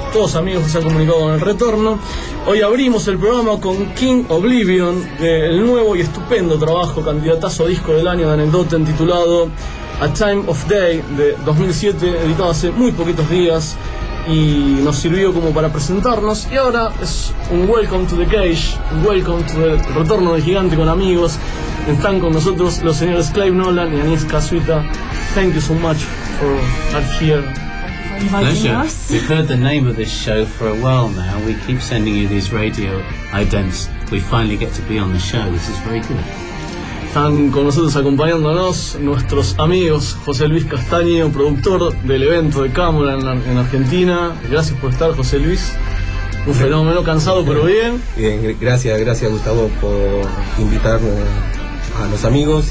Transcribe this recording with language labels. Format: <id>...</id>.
<es>Todos amigos que se han comunicado con el retorno. Hoy abrimos el programa con King Oblivion, el nuevo y estupendo trabajo, candidatazo a disco del año de Anecdoten, titulado A Time of Day, de 2007, editado hace muy poquitos días, y nos sirvió como para presentarnos. Y ahora es un</es> <en>welcome to the cage,</en> <es>un welcome to the Retorno del Gigante con amigos. Están con nosotros los señores Clive Nolan y Anis Kazuita.</es> <en>Thank you so much for being here. Pleasure. We've heard the name of this show for a while now. We keep sending you these radio idents. We finally get to be on the show. This is very good.</en> <es>Están con nosotros acompañándonos nuestros amigos José Luis Castaño, productor del evento de Cámara en Argentina. Gracias por estar, José Luis. Un fenómeno, cansado pero bien. Bien, gracias Gustavo por invitarnos a los amigos.</es>